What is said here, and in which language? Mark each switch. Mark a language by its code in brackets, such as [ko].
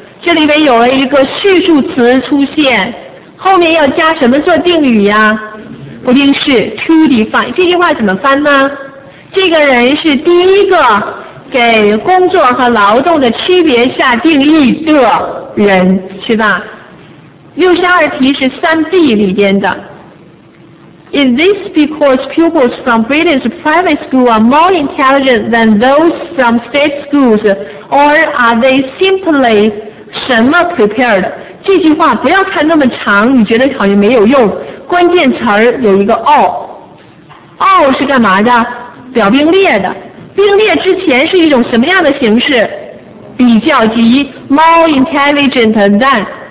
[zh] 这里边有了一个序数词出现，后面要加什么做定语呀？不定式 to define。这句话怎么翻呢？这个人是第一个给工作和劳动的区别下定义的人，是吧？ 62题是 3B 里边的。 [en] Is this because pupils from Britain's private school are more intelligent than those from state schools, or are they simply [zh] 什么 [en] prepared? [zh] 这句话不要看那么长，你觉得好像没有用。关键词儿有一个 all。 all 是干嘛的？表并列的。并列之前是一种什么样的形式？比较级 [en] ,more intelligent than。